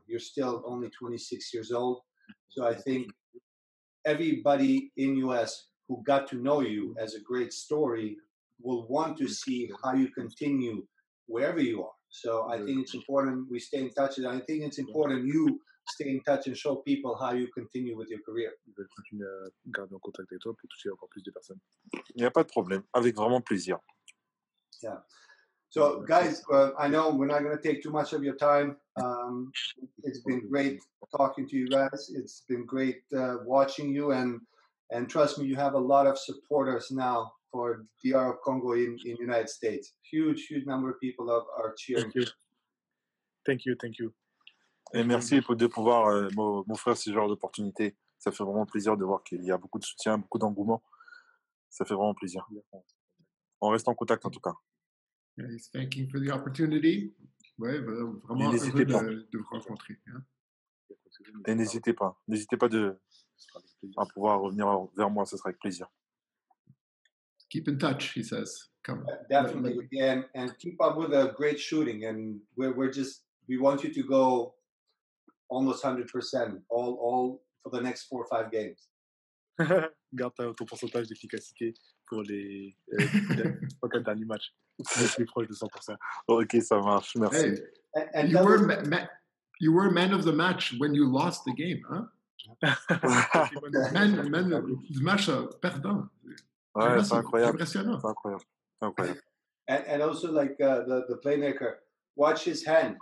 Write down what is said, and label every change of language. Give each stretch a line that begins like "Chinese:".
English: You're still only 26 years old. So I think everybody in U.S., who got to know you as a great story will want to see how you continue wherever you are. So I think it's important we stay in touch. And I think it's important you stay in touch and show people how you continue with your career.
French: Je vais continuer à garder en contact avec toi pour toucher encore plus de personnes. Il n'y a pas de problème. Avec vraiment plaisir.
English: Yeah. So, guys, I know we're not going to take too much of your time. It's been great talking to you guys. It's been great watching you and trust me, you have a lot of supporters now for DR of Congo in the United States. Huge, huge number of people are cheering. Thank you. Thank you. Thank you.
French: Et merci de pouvoir m'offrir ce genre d'opportunité. Ça fait vraiment plaisir de voir qu'il y a beaucoup de soutien, beaucoup d'engouement. Ça fait vraiment plaisir. On reste en contact en tout cas.
English: Yeah, he's thanking for the opportunity.
French: Ouais, vraiment heureux de vous rencontrer. Hein. Et n'hésitez pas. N'hésitez pas à pouvoir revenir vers moi. Ce sera avec plaisir.
English: Keep in touch, he says. Come. Definitely. And keep up with a great shooting. And we want you to go almost 100% all for the next 4 or 5 games.
French: Garde ton pourcentage d'efficacité pour les derniers matchs. Je suis proche de 100%. Ok, ça marche. Merci. Hey,
English: and you were you were man of the match when you lost the game, huh? man of the match,
French: perdant. Ouais, c'est incroyable. Impressionnant. C'est incroyable.
English: And also, like the playmaker, watch his hand.